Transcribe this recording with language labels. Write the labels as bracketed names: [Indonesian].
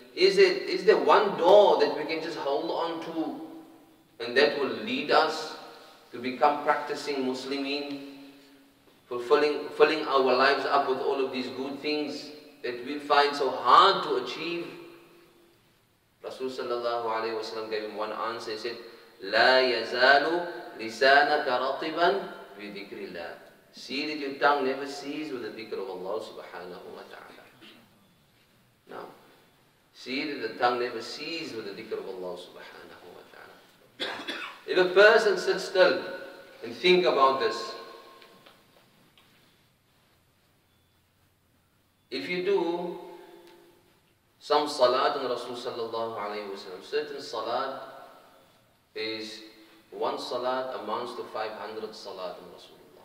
[English] Is there one door that we can just hold on to and that will lead us to become practicing Muslimin, filling our lives up with all of these good things that we find so hard to achieve? Rasul sallallahu alayhi wa sallam gave him one answer. He said, [Arabic] لا يزال لسانك رطبا بذكر الله. [English] See that your tongue never ceases with the dhikr of Allah subhanahu wa ta'ala. Now, see that the tongue never ceases with the dhikr of Allah subhanahu wa ta'ala. If a person sits still and think about this, if you do some salat in Rasul sallallahu alayhi wa sallam, certain salat is one salat amounts to 500 salat in Rasul.